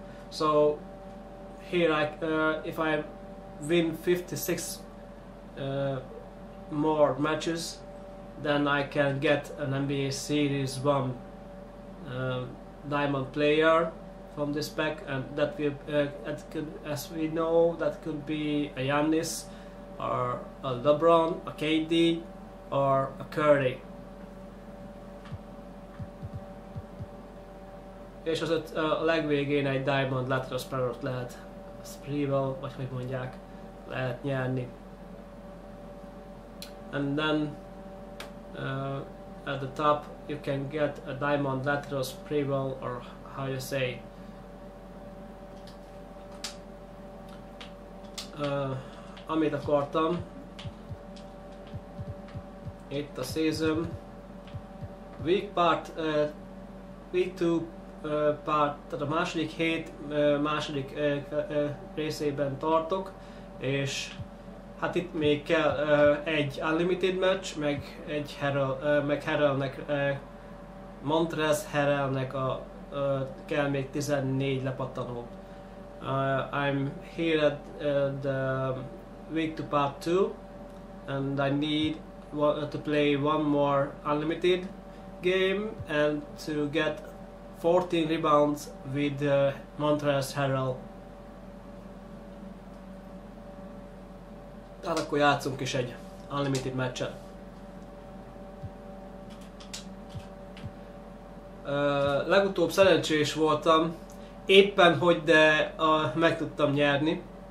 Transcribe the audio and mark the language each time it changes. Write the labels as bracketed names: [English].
[English] So here if I win 56 more matches, then I can get an NBA Series 1 diamond player from this pack, and that will as we know, that could be a Giannis or a LeBron, a KD or a Curry. [Hungarian] És az a legvégén egy diamond lateral sparrow-t lehet Sprevel, vagy hogy mondják, lehet nyerni. [English] And then at the top you can get a diamond lateral Sprevel, or how you say. [Hungarian] Amit akartam itt a [English] season week part week 2 part, [Hungarian] tehát a második hét második részében tartok, és hát itt még kell egy unlimited match, meg egy Harrellnek, Montrez Harrellnek a kell még 14 lepattanó. [English] I'm here at the week 2 part 2, and I need to play one more unlimited game and to get 14 rebounds with Montrezl Harrell. [Hungarian] Tehát akkor játszunk is egy unlimited match-et. Legutóbb szerencsés voltam, éppen hogy, de meg tudtam nyerni.